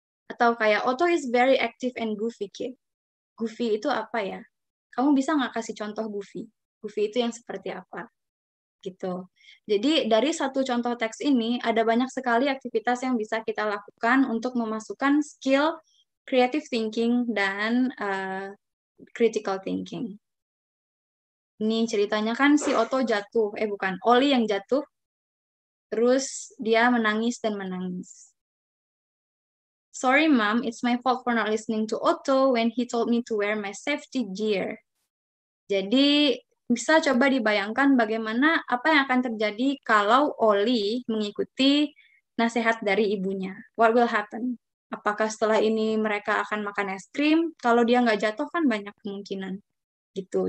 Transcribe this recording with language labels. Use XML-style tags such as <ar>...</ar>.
<id>Atau kayak</id> <en>Otto is very active and goofy kid.</en> <id>Goofy itu apa ya? Kamu bisa nggak kasih contoh goofy? Goofy itu yang seperti apa? Gitu. Jadi dari satu contoh teks ini, ada banyak sekali aktivitas yang bisa kita lakukan untuk memasukkan skill creative thinking dan critical thinking. Ini ceritanya kan si Otto jatuh. Bukan. Oli yang jatuh. Terus dia menangis dan menangis.</id> <en>Sorry, Mom. It's my fault for not listening to Otto when he told me to wear my safety gear.</en> <id>Jadi bisa coba dibayangkan bagaimana apa yang akan terjadi kalau Oli mengikuti nasihat dari ibunya.</id> <en>What will happen?</en> <id>Apakah setelah ini mereka akan makan es krim? Kalau dia nggak jatuh kan banyak kemungkinan gitu.</id>